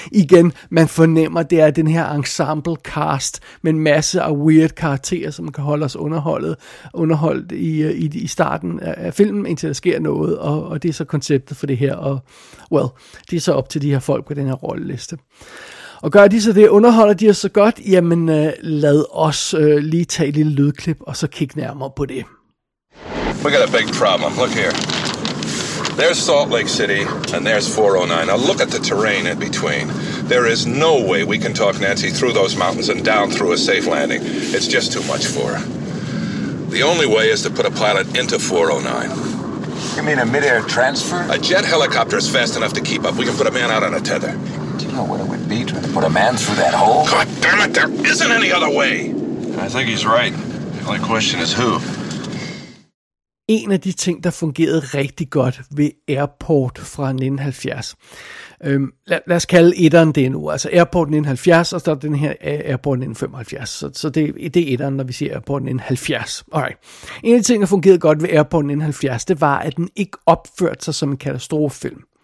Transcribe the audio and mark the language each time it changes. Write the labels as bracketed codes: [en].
[da] Igen, man fornemmer, det er den her ensemble cast med en masse af weird karakterer, som kan holde os underholdt i starten af filmen, indtil der sker noget, og det er så konceptet for det her. Og, det er så op til de her folk på den her rolleliste. Og gør de så det, underholder de os så godt, jamen lad os lige tage et lille lydklip, og så kigge nærmere på det. [en] We got a big problem. Look here. There's Salt Lake City, and there's 409. Now look at the terrain in between. There is no way we can talk Nancy through those mountains and down through a safe landing. It's just too much for her. The only way is to put a pilot into 409. You mean a mid-air transfer? A jet helicopter is fast enough to keep up. We can put a man out on a tether. Do you know what it would be trying to put a man through that hole? God damn it, there isn't any other way! I think he's right. The only question is who? [da] En af de ting, der fungerede rigtig godt ved Airport fra 1970. Lad os kalde etteren det nu. Altså Airport 1970, og så er den her Airport 1975. Så det er etteren, når vi siger Airport 1970. [en] Alright. [da] En af de ting, der fungerede godt ved Airport 1970, det var, at den ikke opførte sig som en katastrofefilm.